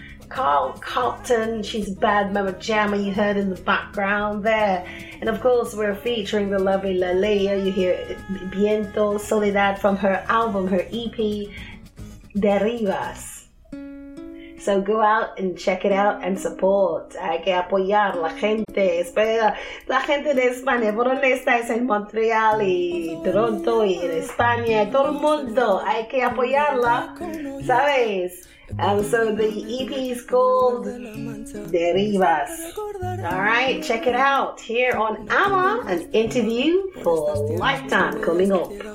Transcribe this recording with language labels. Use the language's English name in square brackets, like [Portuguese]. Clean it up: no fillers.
[English] Carl Compton, She's a Bad Mama Jamma, you heard in the background there. And of course, we're featuring the lovely Lalea. You hear Viento Soledad from her album, her EP, Derivas. So go out and check it out and support. [Spanish] Hay que apoyar la gente. Espera, la gente de España, ¿por dónde estáis? En Montreal y Toronto y en España, todo el mundo. Hay que apoyarla, ¿sabes? [English] So the EP is called Derivas. All right, check it out here on AMA, an interview for Lifetime coming up.